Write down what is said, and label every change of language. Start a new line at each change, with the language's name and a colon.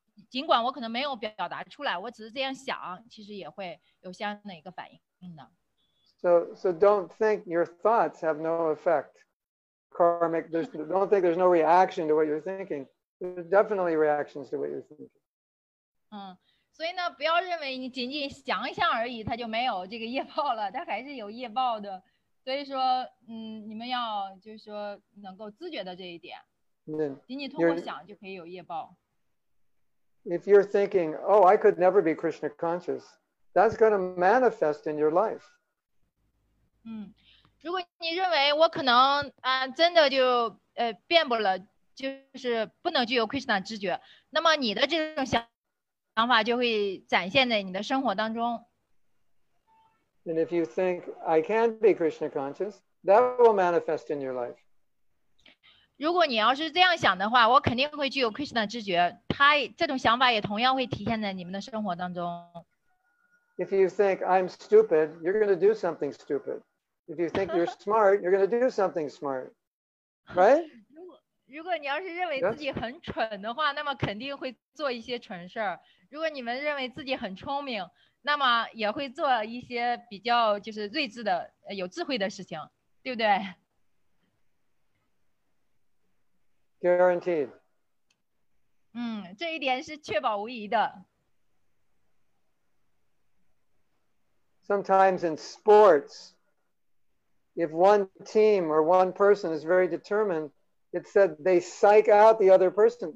Chinese: 尽管我可能没有表达出来，我只是这样想，其实也会有相应的一个反应的。
English: So don't think your thoughts have no effect. Karmic, don't think there's no reaction to what you're thinking. There's definitely reactions to what you're thinking.
Chinese: 所以呢，不要认为你仅仅想一想而已，它就没有这个业报了，它还是有业报的。所以说，你们要就是说能够自觉的这一点，仅仅通过想就可以有业报。
English: If you're thinking, oh, I could never be Krishna conscious, that's going to manifest in your life.
Chinese: 如果你认为我可能真的就变不了，就是不能具有 Krishna 知觉，那么你的这种想法就会展现在你的生活当中。
English: And if you think I can be Krishna conscious, that will manifest in your life.
Chinese: 如果你要是这样想的话，我肯定会具有 Krishna 知觉。这种想法也同样会体现在你们的生活当中。
English: If you think I'm stupid, you're going to do something stupid. If you think you're smart, you're going to do something smart, right?
Chinese: 如果你要是认为自己很蠢的话， yes. 那么肯定会做一些蠢事，如果你们认为自己很聪明，那么也会做一些比较就是睿智的，有智慧的事情，对不对？
English: Guaranteed.
Chinese: 嗯，这一点是确保无疑的。
English: Sometimes in sports, if one team or one person is very determined, it said they psych out the other person.